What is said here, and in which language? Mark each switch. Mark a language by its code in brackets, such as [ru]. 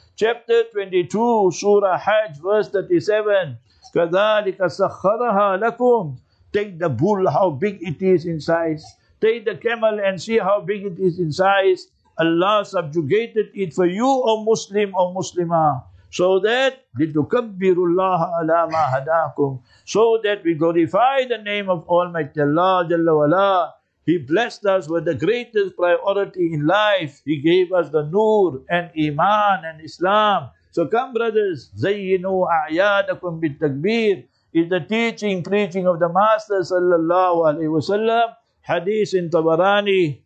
[en] Chapter 22, Surah Hajj, verse 37. [ar] كَذَلِكَ سَخَّرَهَا لَكُمْ. [en] Take the bull, how big it is in size. Take the camel and see how big it is in size. Allah subjugated it for you, O Muslim, O Muslimah. So that, [ar] لِتُكَبِّرُ اللَّهَ عَلَى مَا هَدَاكُمْ. [en] So that we glorify the name of Almighty Allah, Jalla wa Ala. He blessed us with the greatest priority in life. He gave us the nur and iman and Islam. So come, brothers, [ar] zayyinu a'yadakum bittakbir, [en] is the teaching, preaching of the Master sallallahu alayhi wa sallam, hadith in Tabarani.